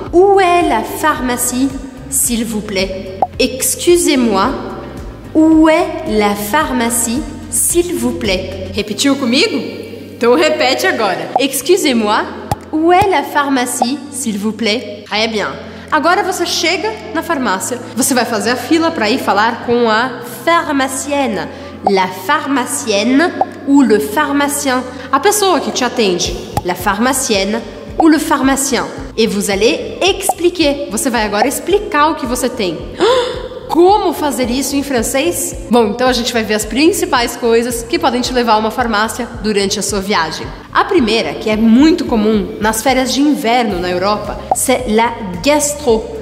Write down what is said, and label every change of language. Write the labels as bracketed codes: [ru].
[fr] Où est la pharmacie, s'il vous plaît? Excusez-moi. Où est la pharmacie, s'il vous plaît? Repetiu comigo? [pt] Então repete agora. [fr] Excusez-moi. Où est la pharmacie, s'il vous plaît? Très bien. [pt] Agora você chega na farmácia. Você vai fazer a fila para ir falar com a pharmacienne. [fr] La pharmacienne ou le pharmacien. [pt] A pessoa que te atende. [fr] La pharmacienne ou le pharmacien. [pt] E [fr] vous allez expliquer. [pt] Você vai agora explicar o que você tem. Como fazer isso em francês? Bom, então a gente vai ver as principais coisas que podem te levar a uma farmácia durante a sua viagem. A primeira, que é muito comum nas férias de inverno na Europa, [fr] c'est la gastro.